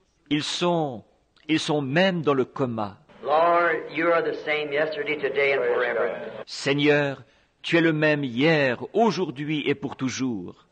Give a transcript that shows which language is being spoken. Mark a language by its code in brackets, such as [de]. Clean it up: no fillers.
[fr] Ils sont même dans le coma. [en] Lord, you are the same yesterday, today, and forever. [fr] Seigneur, tu es le même hier, aujourd'hui et pour toujours.